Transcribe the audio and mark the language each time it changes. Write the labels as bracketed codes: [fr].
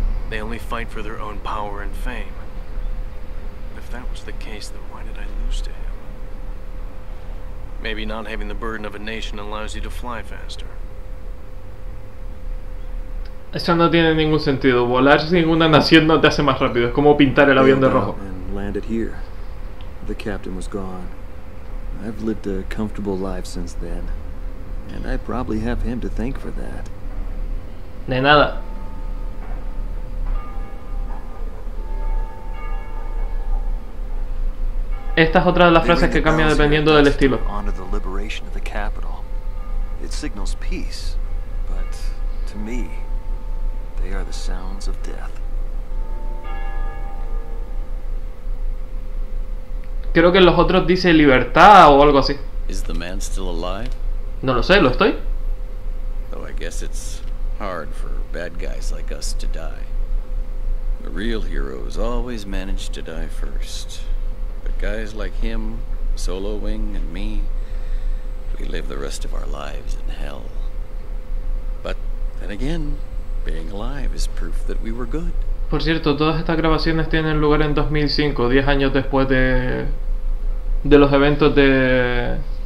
[en] They only fight for their own power and fame. If that was the case, then why did I lose to him? Maybe not having the burden of a nation allows you to fly faster. [es] Eso no tiene ningún sentido. Volar sin una nación no te hace más rápido. Es como pintar el avión de rojo. [en] And landed here. The captain was gone. I've lived a comfortable life since then, and I probably have him to thank for that. [es] De nada. Esta es otra de las frases que cambia dependiendo del estilo. [en] Onto the liberation of the capital. It signals peace, but to me, they are the sounds of death. [es] Creo que los otros dice libertad o algo así. [en] Is the man still alive? [es] No lo sé, lo estoy. [en] Though I guess it's hard for bad guys like us to die. The real heroes always manage to die first. But guys like him, Solo Wing and me, we live the rest of our lives in hell. But then again, being alive is proof that we were good. [es] Por cierto, todas estas grabaciones tienen lugar en 2005, 10 años después de los eventos de...